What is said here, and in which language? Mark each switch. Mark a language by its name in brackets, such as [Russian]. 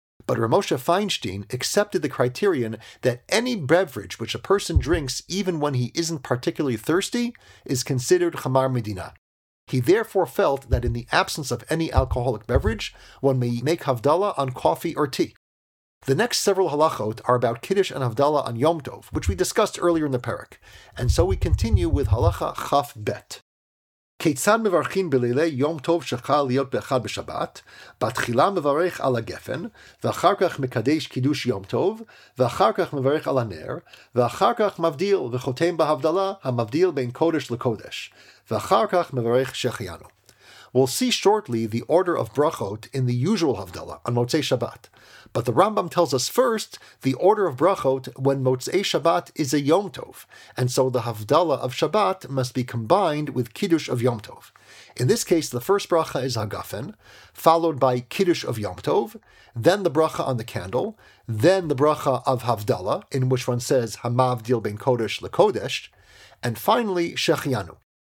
[English] But Rav Moshe Feinstein accepted the criterion that any beverage which a person drinks even when he isn't particularly thirsty is considered chamar medina. He therefore felt that in the absence of any alcoholic beverage, one may make Havdalah on coffee or tea. The next several halachot are about Kiddush and Havdalah on Yom Tov, which we discussed earlier in the perek. And so we continue with halacha chaf bet. [Hebrew] כיצד מברכים בלילי יום טוב שחל להיות באחד בשבת, בתחילה מברך על הגפן, ואחר כך מקדש קידוש יום טוב, ואחר כך מברך על הנר, ואחר כך מבדיל וחותם בהבדלה המבדיל בין קודש לקודש, ואחר כך מברך שחיינו. [English] We'll see shortly the order of brachot in the usual Havdalah on Motzei Shabbat. But the Rambam tells us first the order of brachot when Motzei Shabbat is a Yom Tov, and so the Havdalah of Shabbat must be combined with Kiddush of Yom Tov. In this case, the first bracha is Hagafen, followed by Kiddush of Yom Tov, then the bracha on the candle, then the bracha of Havdalah, in which one says [Hebrew] Hamavdil ben Kodesh leKodesh, [English] and finally Shechianu.